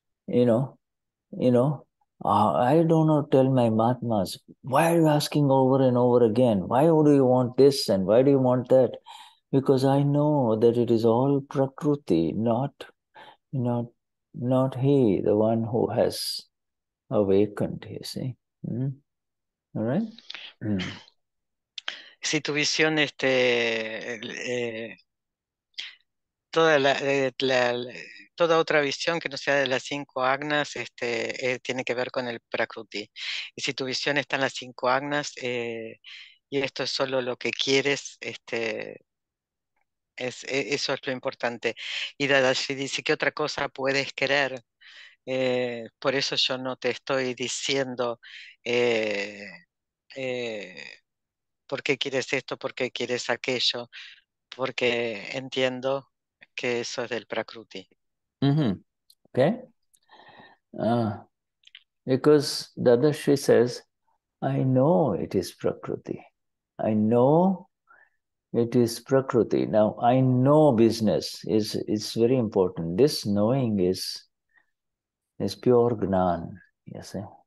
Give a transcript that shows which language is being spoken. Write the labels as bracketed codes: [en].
[en] I do not tell my Mahatmas, why are you asking over and over again? Why do you want this and why do you want that? Because I know that it is all prakruti, not he, the one who has awakened, you see. All right? [es] Si tu visión, toda toda otra visión que no sea de las cinco agnas, tiene que ver con el prakruti. Y si tu visión está en las cinco agnas, y esto es solo lo que quieres, eso es lo importante. Y Dadashri dice, ¿qué otra cosa puedes querer? Por eso yo no te estoy diciendo por qué quieres esto, por qué quieres aquello, porque entiendo que eso es del prakruti. [en] Mm-hmm. Okay. Because Dadashri says, I know it is prakruti. I know it is prakruti. Now, I know business is very important. This knowing is pure gnan, you see.